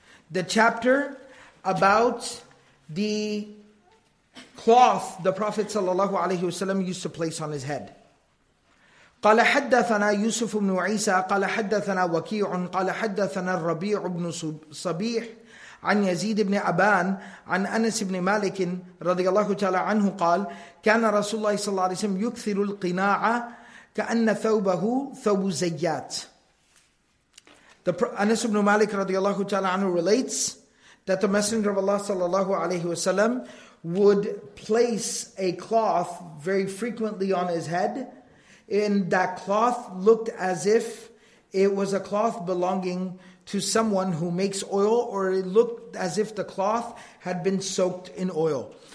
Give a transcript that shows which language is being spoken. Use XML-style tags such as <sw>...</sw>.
<en>The chapter about the cloth the Prophet sallallahu alayhi wa sallam used to place on his head. Qala haddathana Yusuf ibn Isa, qala haddathana Waqi'un, qala haddathana Rabi' ibn Sabih</en> <ar>عن يزيد بن أبان عن أنس بن مالك رضي الله تعالى عنه قال كان رسول الله صلى الله عليه وسلم يكثر القناع كأن ثوبه ثوب زيات.</ar> <en>Anas ibn Malik رضي الله تعالى عنه relates that the Messenger of Allah صلى الله عليه وسلم would place a cloth very frequently on his head, and that cloth looked as if it was a cloth belonging to someone who makes oil, or it looked as if the cloth had been soaked in oil.</en>